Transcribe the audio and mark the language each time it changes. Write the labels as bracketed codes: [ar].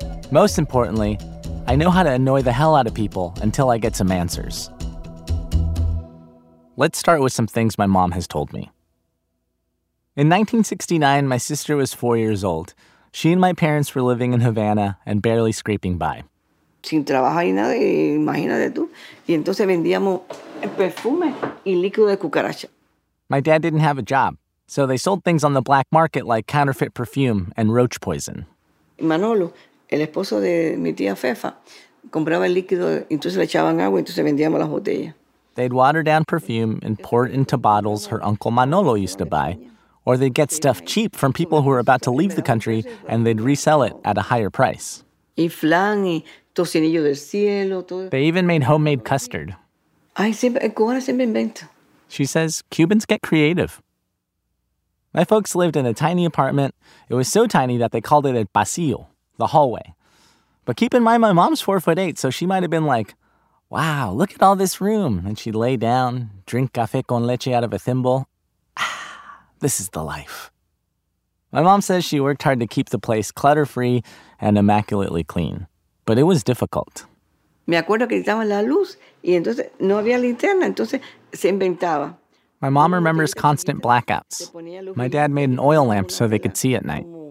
[en] Most importantly, I know how to annoy the hell out of people until I get some answers. Let's start with some things my mom has told me. In 1969, my sister was 4 years old. She and my parents were living in Havana and barely scraping by. [es] Sin trabajo y nada, imagínate tú. Y entonces vendíamos perfume y líquido de cucaracha. [en] My dad didn't have a job, so they sold things on the black market like counterfeit perfume and roach poison. [es] Manolo, el esposo de mi tía Fefa, compraba el líquido, entonces le echaban agua, entonces vendíamos las botellas. [en] They'd water down perfume and pour it into bottles her uncle Manolo used to buy, or they'd get stuff cheap from people who were about to leave the country and they'd resell it at a higher price. [es] Y flan y tocinillo del cielo, todo. [en] They even made homemade custard. [es] Ay, siempre, el cubano siempre inventa. [en] She says Cubans get creative. My folks lived in a tiny apartment. It was so tiny that they called it a pasillo, the hallway. But keep in mind my mom's 4'8", so she might have been like, wow, look at all this room. And she'd lay down, drink café con leche out of a thimble. Ah, this is the life. My mom says she worked hard to keep the place clutter-free and immaculately clean. But it was difficult. [es] Me acuerdo que estaba la luz y entonces no había linterna, entonces se inventaba. [en] My mom remembers constant blackouts. My dad made an oil lamp so they could see at night.